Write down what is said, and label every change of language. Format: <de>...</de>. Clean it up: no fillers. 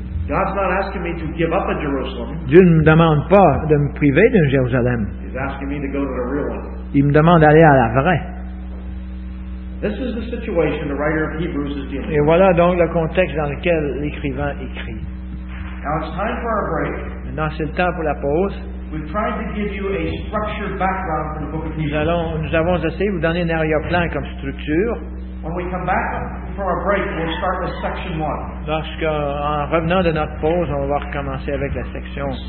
<en>God's not asking me to give up a Jerusalem.</en> <fr>Dieu ne me demande pas de me priver d'un Jérusalem.</fr> <en>He's asking me to go to the real one.</en> <fr>Il me demande d'aller à la vraie.</fr> <en>This is the situation the writer of Hebrews is dealing with.</en> <fr>Et voilà donc le contexte dans lequel l'écrivain écrit.</fr> <en>Now it's time for our break.</en> <fr>Maintenant c'est le temps pour la pause.</fr> <en>We've tried to give you a structured background for the book of Hebrews.</en> <fr>Nous avons essayé de vous donner un arrière-plan comme structure.</fr> <en>When we come back from our break, we'll start with section one.</en> <fr>Lorsqu'en revenant de notre pause, on va recommencer avec la section</fr>